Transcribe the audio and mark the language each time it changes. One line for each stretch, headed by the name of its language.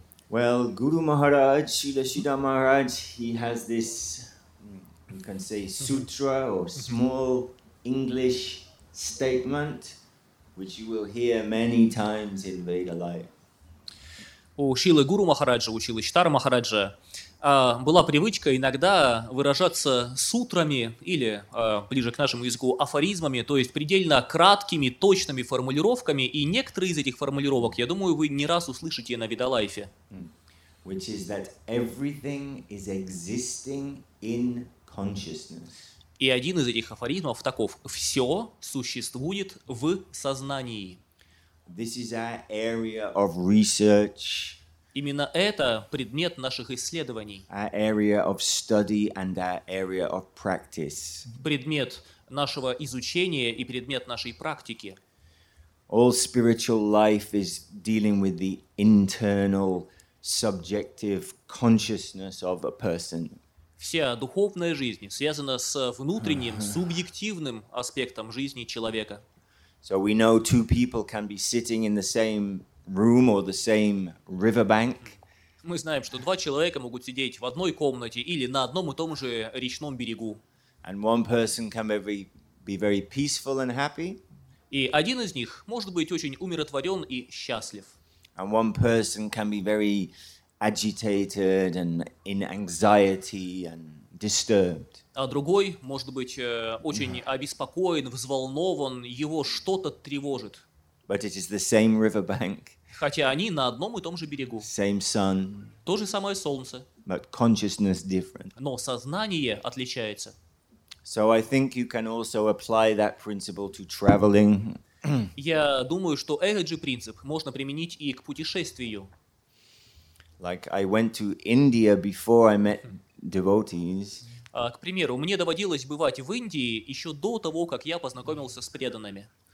English: Well, Guru Maharaj, Srila Siddha Maharaj, he has this, you can say, sutra or small English statement, which you will hear many times in Veda life.
Russian: У Шилы Гуру Махараджа, у Шилы Читара Махараджа была привычка иногда выражаться сутрами или, ближе к нашему языку, афоризмами, то есть предельно краткими, точными формулировками, и некоторые из этих формулировок, я думаю, вы не раз услышите на Ведалайфе.
English: Which is that everything is existing in consciousness.
Russian: И один из этих афоризмов таков: «Все существует в сознании».
English: This is our area of research.
Russian: Именно это предмет наших исследований.
English: Our area of study and our area of practice.
Russian: Предмет нашего изучения и предмет нашей практики.
English: All spiritual life is dealing with the internal subjective consciousness of a person.
Russian: Вся духовная жизнь связана с внутренним, субъективным аспектом жизни человека.
English: So we know two people can be sitting in the same room or the same riverbank.
Russian: Мы знаем, что два человека могут сидеть в одной комнате или на одном и том же речном берегу.
English: And one person can be very peaceful and happy.
Russian: И один из них может быть очень умиротворен и счастлив.
English: And one person can be very agitated and in anxiety and disturbed.
Russian: А другой, может быть, очень обеспокоен, взволнован, его что-то тревожит.
English: But it is the same riverbank.
Russian: Хотя они на одном и том же берегу.
English: Same sun.
Russian: То же самое солнце.
English: But consciousness different.
Russian: Но сознание отличается.
English: So I think you can also apply that principle to traveling.
Russian: Я думаю, что этот же принцип можно применить и к путешествию.
English: Like I went to India before I met devotees.
Russian: К примеру, мне доводилось бывать в Индии еще до того, как я познакомился с преданными.